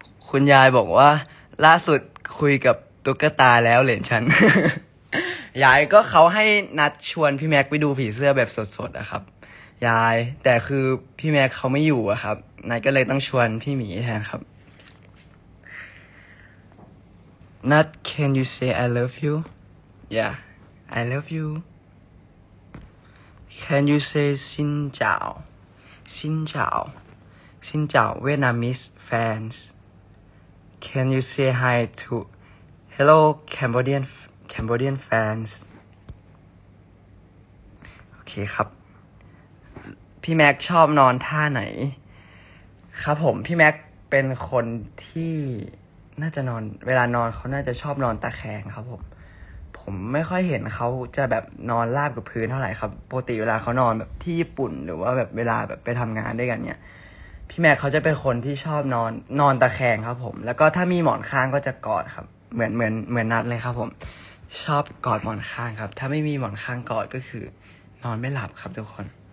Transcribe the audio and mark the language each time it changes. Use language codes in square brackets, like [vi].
[th] คุณยายบอกว่าล่าสุดคุยกับตุ๊กตาแล้วเหรียญฉัน ยายก็เขาให้นัดชวนพี่แม็กไปดูผีเสื้อแบบสดๆอะครับยายแต่คือพี่แม็กเขาไม่อยู่อะครับนัดก็เลยต้องชวนพี่หมีแทนครับ [en] not can you say I love you? Yeah, I love you. Can you say [vi] xin chào? Xin chào. Xin chào [en] Vietnamese fans. Can you say hi to hello Cambodian fans? [th] โอเคครับพี่แม็กชอบนอนท่าไหนครับผมพี่แม็กเป็นคนที่น่าจะนอนเวลานอนเขาน่าจะชอบนอนตะแคงครับผม ผมไม่ค่อยเห็นเขาจะแบบนอนราบกับพื้นเท่าไหร่ครับปกติเวลาเขานอนแบบที่ญี่ปุ่นหรือว่าแบบเวลาแบบไปทำงานด้วยกันเนี่ยพี่แม็กเขาจะเป็นคนที่ชอบนอนตะแคงครับผมแล้วก็ถ้ามีหมอนข้างก็จะกอดครับเหมือนนัดเลยครับผมชอบกอดหมอนข้างครับถ้าไม่มีหมอนข้างกอดก็คือนอนไม่หลับครับทุกคน